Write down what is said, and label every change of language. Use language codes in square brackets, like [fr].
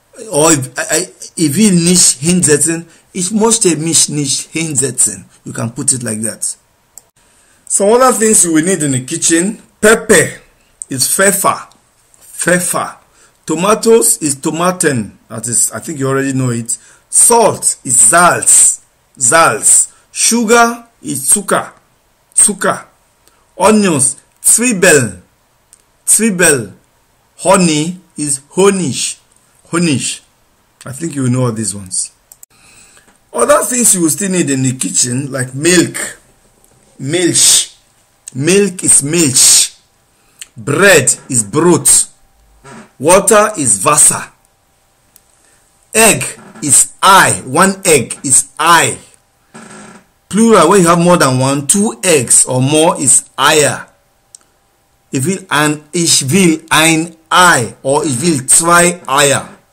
[de] Or ich will nicht hinsetzen, ich möchte mich nicht hinsetzen. [en] You can put it like that. Some other things we need in the kitchen. Pepper is Pfeffer. Pfeffer. Tomatoes is Tomaten. That is, I think you already know it. Salt is Salz. Salz. Sugar is Zucker. Zucker. Onions, Zwiebeln. Zwiebeln. Honey is Honig. Honig. I think you know all these ones. Other things you still need in the kitchen, like milk. Milch. Milk is Milch. Bread is Brot. Water is Wasser. Egg is Ei. One egg is Ei. Plural, when you have more than one, two eggs or more is Eier. [de] Ich will ein, ich will ein Ei, or ich will zwei Eier.